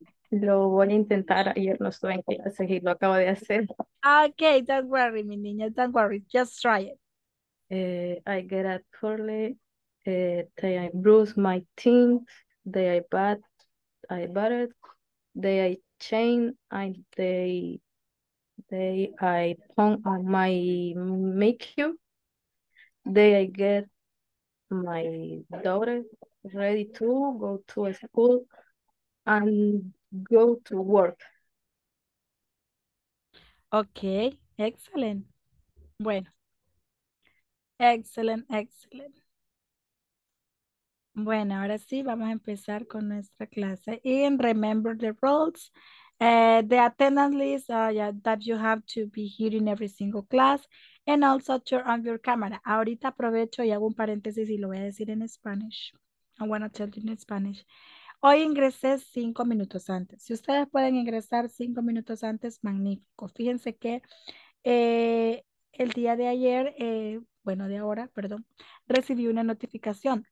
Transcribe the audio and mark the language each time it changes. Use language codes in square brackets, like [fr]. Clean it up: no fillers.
[es] Lo voy a intentar, ayer no estuve en clase y lo acabo de hacer. [en] Okay, don't worry, [es] mi niña, [en] don't worry, just try it. I get up early, then I brush my teeth, then I bath, I bathed, then I change, and then I put on my makeup, then I get my daughter ready to go to school and go to work. Okay, excellent. [es] Bueno. [en] Excellent, excellent. [es] Bueno, ahora sí, vamos a empezar con nuestra clase. [en] And remember the rules. The attendance list yeah, that you have to be here in every single class. And also turn on your camera. [es] Ahorita aprovecho y hago un paréntesis y lo voy a decir en Spanish. [en] I want to tell you in Spanish. [es] Hoy ingresé 5 minutos antes. Si ustedes pueden ingresar 5 minutos antes, magnífico. Fíjense que el día de ayer, bueno, de ahora, perdón, recibí una notificación.